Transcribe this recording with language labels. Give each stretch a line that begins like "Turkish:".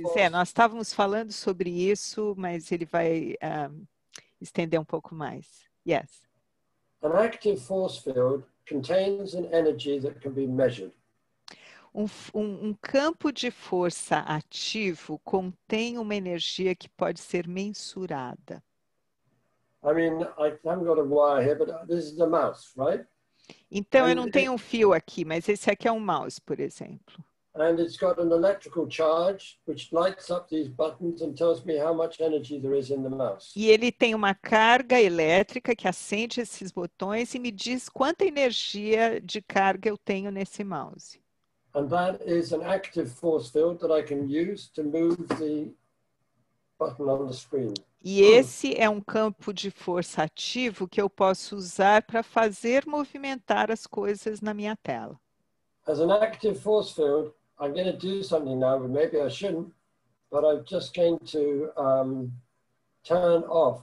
Portuguese: Nós estávamos falando sobre isso, mas ele vai estender um pouco mais.
English: Yes. An active force field contains an energy that can be measured.
Portuguese: Um campo de força ativo contém uma energia que pode ser mensurada.
English: I mean, I haven't got a wire here, but this is a mouse, right?
Portuguese: Então, eu não tenho um fio aqui, mas esse aqui é um mouse, por exemplo.
English: And it's got an electrical charge which lights up these buttons and tells me how much energy there is in the mouse.
Portuguese: E ele tem uma carga elétrica que acende esses botões e me diz quanta energia de carga eu tenho nesse mouse.
English: And that is an active force field that I can use to move the button on the screen.
Portuguese: E esse é um campo de força ativo que eu posso usar para fazer movimentar as coisas na minha tela.
English: As an active force field, I'm going to do something now, but maybe I shouldn't, but I'm just going to turn off.